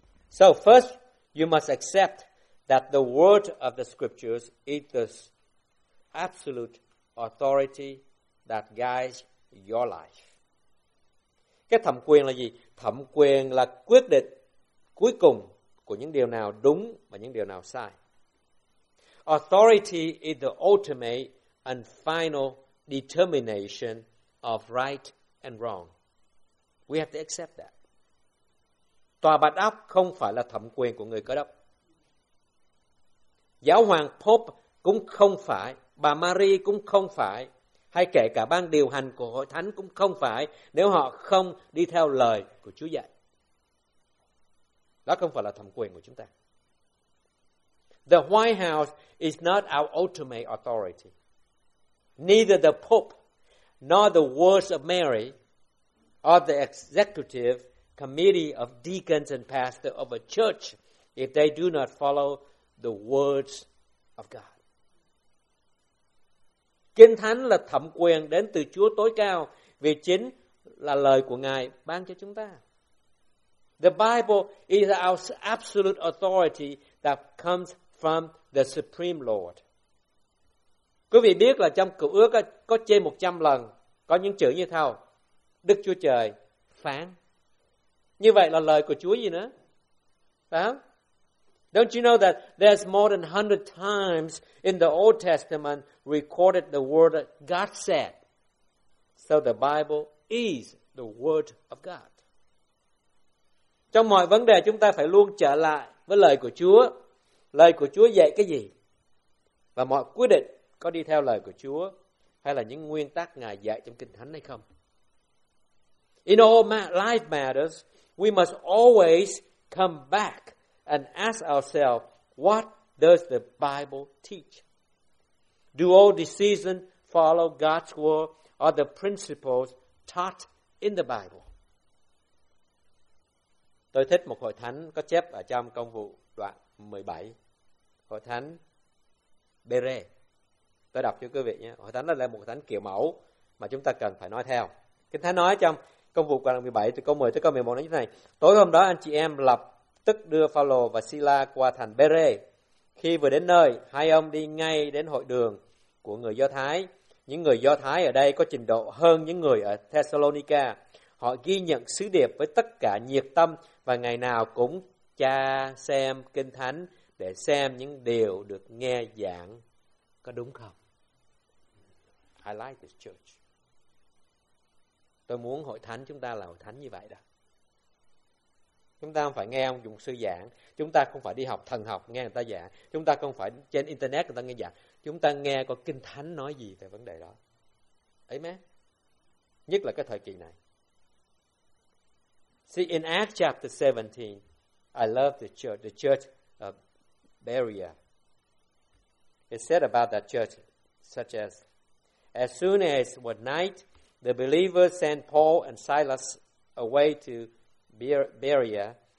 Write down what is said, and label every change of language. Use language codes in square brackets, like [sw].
[en] So first, you must accept that the word of the scriptures is the absolute authority that guides your life. [vi] Cái thẩm quyền là gì? Thẩm quyền là quyết định cuối cùng của những điều nào đúng và những điều nào sai. [en] Authority is the ultimate and final determination of right and wrong. We have to accept that. [vi] Tòa bạch óc không phải là thẩm quyền của người Cơ Đốc. Giáo hoàng Pope cũng không phải, bà Marie cũng không phải, hay kể cả ban điều hành của hội thánh cũng không phải nếu họ không đi theo lời của Chúa dạy. Đó không phải là thẩm quyền của chúng ta. [en] The White House is not our ultimate authority. Neither the Pope nor the words of Mary or the executive committee of deacons and pastors of a church if they do not follow the words of God. [vi] Kinh Thánh là thẩm quyền đến từ Chúa tối cao vì chính là lời của Ngài ban cho chúng ta. [en] The Bible is our absolute authority that comes from the Supreme Lord. [vi] Quý vị biết là trong Cựu Ước có trên 100 lần có những chữ như thế: Đức Chúa Trời phán. Như vậy là lời của Chúa gì nữa? Phải không? [en] Don't you know that there's more than 100 times in the Old Testament recorded the word that God said? So the Bible is the word of God. [vi] Trong mọi vấn đề chúng ta phải luôn trở lại với lời của Chúa. Lời của Chúa dạy cái gì? Và mọi quyết định có đi theo lời của Chúa hay là những nguyên tắc Ngài dạy trong Kinh Thánh hay không? [en] In all life matters, we must always come back and ask ourselves, what does the Bible teach? Do all decisions follow God's word or the principles taught in the Bible? [vi] Tôi thích một hội thánh có chép ở trong Công Vụ đoạn 17, hội thánh Bere. Tôi đọc cho quý vị nhé. Hội thánh đó là một hội thánh kiểu mẫu mà chúng ta cần phải nói theo. Kinh Thánh nói trong Công Vụ đoạn 17 từ câu 10 tới câu 11 nói như thế này: Tối hôm đó anh chị em lập tức đưa Phaolô và Sila qua thành Bere. Khi vừa đến nơi, hai ông đi ngay đến hội đường của người Do Thái. Những người Do Thái ở đây có trình độ hơn những người ở Thessalonica. Họ ghi nhận sứ điệp với tất cả nhiệt tâm và ngày nào cũng tra xem Kinh Thánh để xem những điều được nghe giảng có đúng không. [en] I like this church. [vi] Tôi muốn hội thánh chúng ta là hội thánh như vậy đó. Chúng ta không phải nghe ông dùng sư giảng. Chúng ta không phải đi học thần học nghe người ta giảng. Chúng ta không phải trên internet người ta nghe giảng. Chúng ta nghe có Kinh Thánh nói gì về vấn đề đó. Amen. Nhất là cái thời kỳ này. [en] See, in Acts chapter 17, I love the church of Berea. It said about that church, such as soon as it was night, the believers sent Paul and Silas away to Berea.